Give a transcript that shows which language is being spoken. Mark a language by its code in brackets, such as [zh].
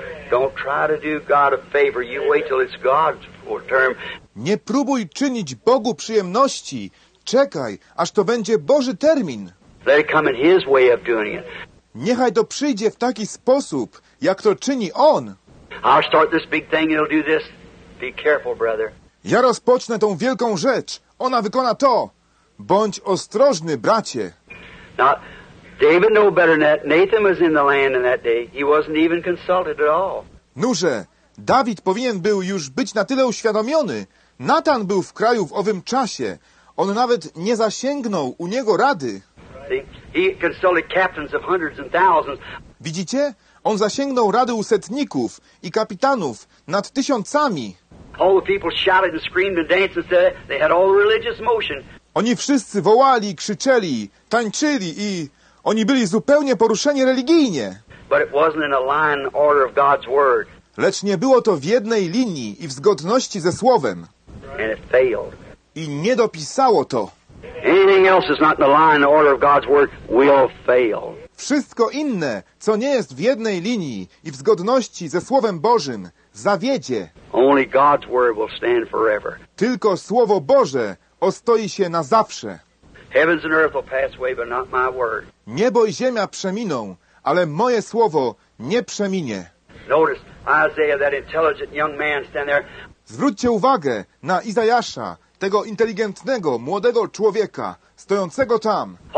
[en] Don't try to do God a favor. You wait till it's God's turn. [pl] Nie próbuj czynić Bogu przyjemności. Czekaj, aż to będzie Boży termin. [en] Let it come in his way of doing it. [pl] Niechaj to przyjdzie w taki sposób, jak to czyni On. [en] I'll start this big thing and it'll do this. Be careful, brother. [pl] Ja rozpocznę tą wielką rzecz. Ona wykona to. Bądź ostrożny, bracie. [en] Now, David knew better than that. Nathan was in the land in that day. He wasn't even consulted at all. [pl] Nuże, Dawid powinien był już być na tyle uświadomiony. Nathan był w kraju w owym czasie. On nawet nie zasięgnął u niego rady. [en] He consulted captains of hundreds and thousands. [pl] Widzicie? On zasięgnął rady u setników i kapitanów nad tysiącami. [en] All the people shouted and screamed and danced and said they had all the religious motion. [pl] Oni wszyscy wołali, krzyczeli, tańczyli i oni byli zupełnie poruszeni religijnie. [en] But it wasn't in a line order of God's word. [pl] Lecz nie było to w jednej linii i w zgodności ze Słowem. [en] And it failed. [pl] I nie dopisało to. [en] Anything else is not in the line order of God's word will fail. [pl] Wszystko inne, co nie jest w jednej linii i w zgodności ze Słowem Bożym, zawiedzie. [en] Only God's word will stand forever. [pl] Tylko Słowo Boże ostoi się na zawsze. [en] Heavens and earth will pass away, but not my word. [pl] Niebo i ziemia przeminą, ale moje Słowo nie przeminie. [en] Notice Isaiah, that intelligent young man stand there. [pl] Zwróćcie uwagę na Izajasza, tego inteligentnego, młodego człowieka, stojącego tam.